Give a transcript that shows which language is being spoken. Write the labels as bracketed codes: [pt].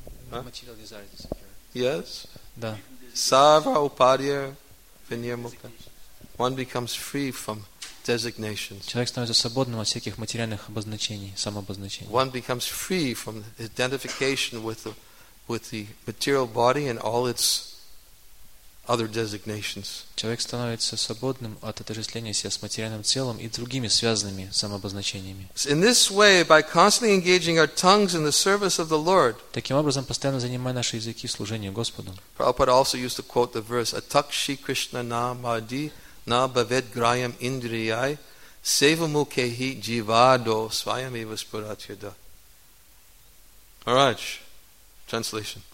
[en] Material desires disappear. Yes. [ru] Да. [sa] Sarva upadhyaya vinirmukta. [en] One becomes free from designations. [ru] Человек становится свободным от всяких материальных обозначений, самообозначений. [en] One becomes free from identification with the material body and all its other designations. [ru] Человек становится свободным от отождествления себя с материальным телом и другими связанными самообозначениями. [en] In this way, by constantly engaging our tongues in the service of the Lord. [ru] Таким образом, постоянно занимая наши языки в служении Господу. [en] Prabhupada also used to quote the verse: [sa] "Atakshi Krishna na madhi na bhaved grayam indriyai sevamukhehi jivado svayam eva spuratyada." [en] Maharaj, translation.